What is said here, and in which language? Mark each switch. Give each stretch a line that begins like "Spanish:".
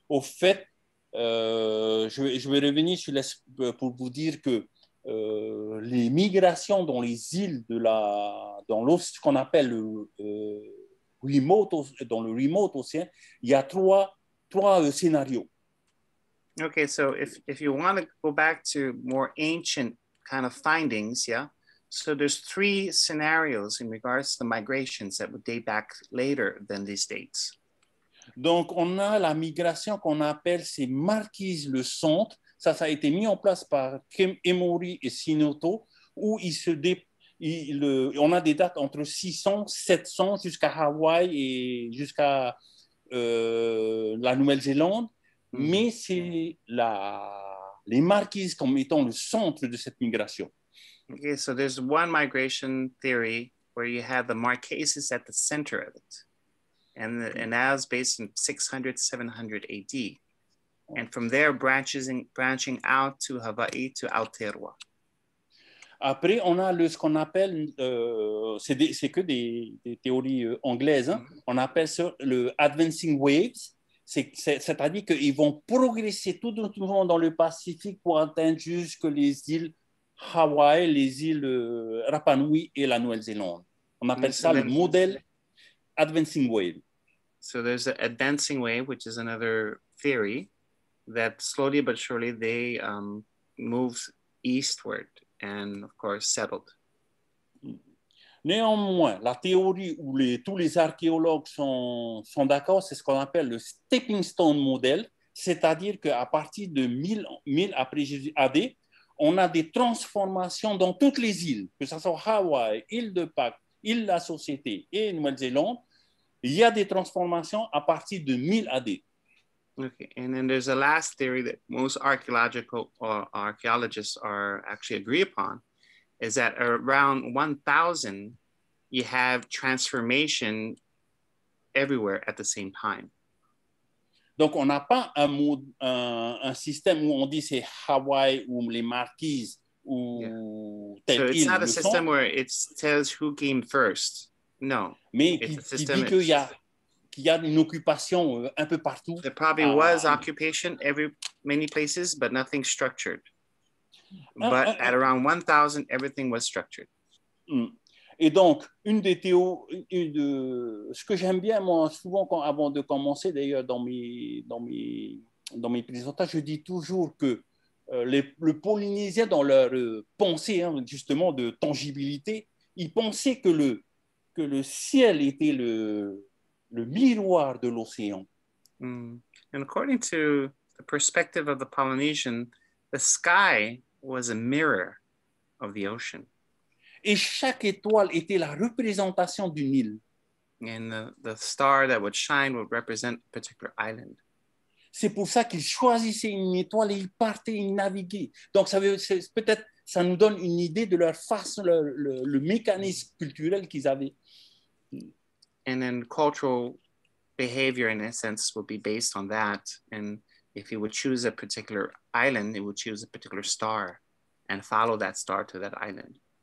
French: Au fait, je vais revenir sur pour vous dire que les migrations dans les îles dans ce qu'on appelle le remote océan, il y a trois scénarios.
English: Okay, so if you want to go back to more ancient kind of findings, yeah, so there's three scenarios in regards to the migrations that would date back later than these dates.
French: Donc on a la migration qu'on appelle ces marquises le centre. Ça a été mis en place par Emory et Sinoto, où on a des dates entre 600, 700 jusqu'à Hawaï et jusqu'à la Nouvelle-Zélande. Mm-hmm. Mais c'est les marquises comme étant le centre de cette migration.
English: Okay, so there's one migration theory where you have the Marquises at the center of it. And that was based in 600, 700 AD. And from there, branching out to Hawaii, to Aotearoa.
French: Après, on a ce qu'on appelle, c'est que des théories anglaises, hein? Mm-hmm. On appelle ça le advancing waves, c'est-à-dire qu'ils vont progresser tout doucement dans le Pacifique pour atteindre jusque les îles Hawaï, les îles Rapa Nui et la Nouvelle-Zélande. On appelle ça le modèle advancing wave.
English: So there's an advancing wave, which is another theory, that slowly but surely they moved eastward and of course settled.
French: Néanmoins, la théorie où tous les archéologues sont d'accord, c'est ce qu'on appelle le stepping stone modèle, c'est-à-dire qu'à partir de 1000 après Jésus AD, on a des transformations dans toutes les îles, que ce soit Hawaï, île de Pâques, île de la Société et Nouvelle-Zélande. il y a des transformations à partir de 1000 AD.
English: Okay, and then there's a last theory that most archaeological archaeologists are actually agree upon, is that around 1000, you have transformation everywhere at the same time.
French: Donc, on n'a pas un système où on dit c'est Hawaii ou les Marquises ou yeah. telle so île.
English: So, it's not a system where it tells who came first. No.
French: Mais
English: it's
French: qui dit qu'il y a une occupation un peu partout.
English: There probably was occupation every many places, but nothing structured. But at around 1000, everything was structured.
French: Et donc, une des théories, ce que j'aime bien, moi, souvent, quand, avant de commencer, d'ailleurs, dans mes présentations, je dis toujours que le Polynésien, dans leur pensée, hein, justement, de tangibilité, ils pensaient que le ciel était le miroir de l'océan. Mm.
English: And according to the perspective of the Polynesian, the sky was a mirror of the ocean.
French: Et chaque étoile était la représentation d'une île.
English: And the star that would shine would represent a particular island.
French: C'est pour ça qu'ils choisissaient une étoile et ils partaient, ils naviguaient. Donc ça veut, peut-être ça nous donne une idée de leur façon, le mécanisme culturel qu'ils avaient.
English: And then cultural behavior in a sense would be based on that. And if you would choose a particular island, it would choose a particular star and follow that star to that island.